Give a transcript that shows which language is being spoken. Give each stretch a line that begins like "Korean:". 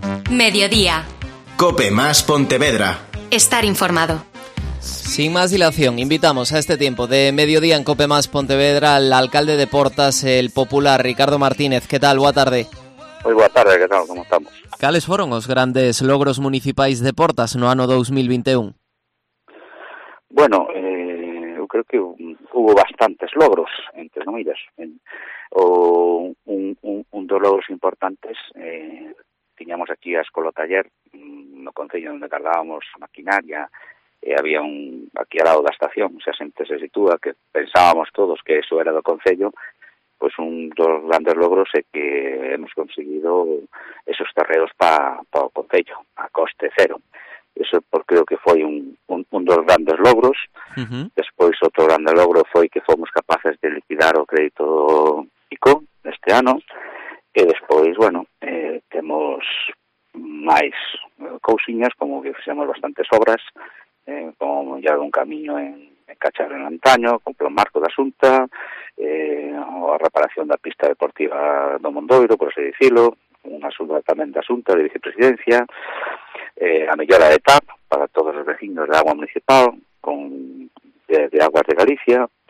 Spanish: Mediodía. COPE más Pontevedra. Estar informado. Sin más dilación, invitamos a este tiempo de mediodía en COPE más Pontevedra al alcalde de Portas, el popular Ricardo Martínez.
Galician: ¿Qué tal? Boa tarde. Muy boa tarde, ¿qué tal? ¿Cómo estamos? ¿Cales foron os grandes logros municipais de Portas no ano 2021? Bueno, eu creo que hubo bastantes logros, entre comillas. Un dos logros importantes, tiñamos aquí a Escola Taller, no concello onde cargábamos maquinaria, e había un aquí al lado da estación, xa xente se sitúa, que pensábamos todos que eso era do concello, pois un dos grandes logros é que hemos conseguido esos terreos pa o concello a coste cero. Eso porque creo que foi un dos grandes logros. Uh-huh. Despois outro grande logro foi que fomos capaces de liquidar o crédito ICO este ano, E despois, bueno, temos máis cousiñas, como que fixemos bastantes obras, como mollar un camiño en Cachar en Antaño, con plan marco da Xunta, a reparación da pista deportiva do Mondoiro, por así dicilo, unha súa tamén da Xunta de Vicepresidencia, a mellora de TAP para todos os veciños de agua municipal, con de Aguas de Galicia,